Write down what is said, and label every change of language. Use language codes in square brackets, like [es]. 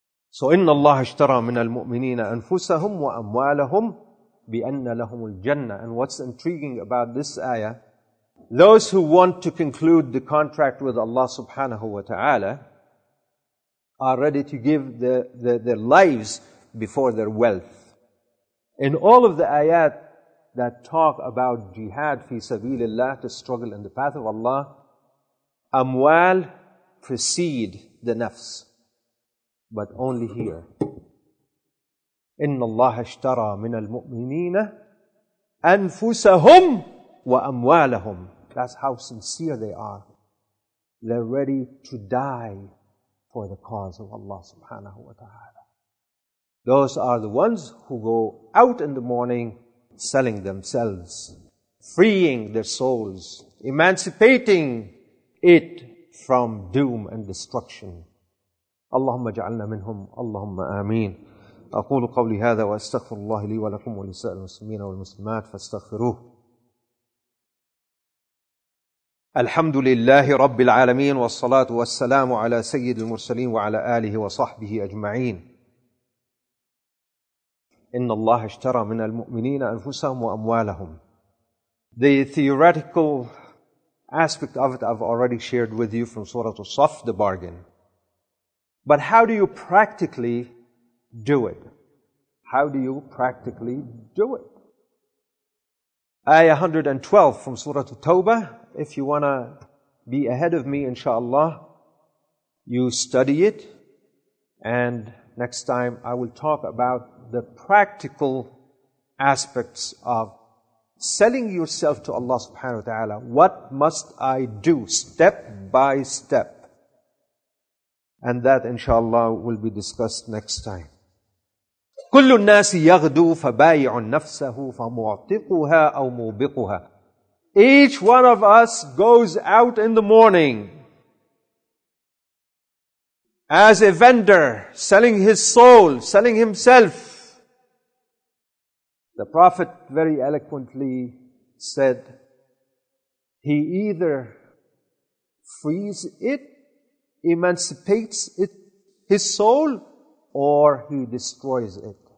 [en] So, [ar] إِنَّ اللَّهَ اشْتَرَى مِنَ الْمُؤْمِنِينَ أَنفُسَهُمْ وَأَمْوَالَهُمْ بِأَنَّ لَهُمُ الْجَنَّةِ [en] And what's intriguing about this ayah, those who want to conclude the contract with Allah subhanahu wa ta'ala are ready to give their lives before their wealth. In all of the ayat that talk about jihad fi sabilillah, to struggle in the path of Allah, amwal precede the nafs. But only here. [ar] إِنَّ اللَّهَ اشْتَرَى مِنَ الْمُؤْمِنِينَ أَنفُسَهُمْ وَأَمْوَالَهُمْ [en] That's how sincere they are. They're ready to die for the cause of Allah subhanahu wa ta'ala. Those are the ones who go out in the morning selling themselves, freeing their souls, emancipating it from doom and destruction. [ar] اللهم اجعلنا منهم اللهم آمين أقول قولي هذا وأستغفر الله لي ولكم ولسائر المسلمين والمسلمات فاستغفروه الحمد لله رب العالمين والصلاة والسلام على سيد المرسلين وعلى آله وصحبه أجمعين إن الله اشترى من المؤمنين أنفسهم وأموالهم [en] The theoretical aspect of it I've already shared with you from Surah As-Saff, the bargain. But how do you practically do it? How do you practically do it? Ayah 112 from Surah At-Tawbah. If you want to be ahead of me, inshallah, you study it. And next time I will talk about the practical aspects of selling yourself to Allah subhanahu wa ta'ala. What must I do step by step? And that, inshallah, will be discussed next time. [ar] كل الناس يغدو فبايع نفسه فمعتقها أو موبقها. [en] Each one of us goes out in the morning as a vendor, selling his soul, selling himself. The Prophet very eloquently said, he either frees it, emancipates it, his soul, or he destroys it.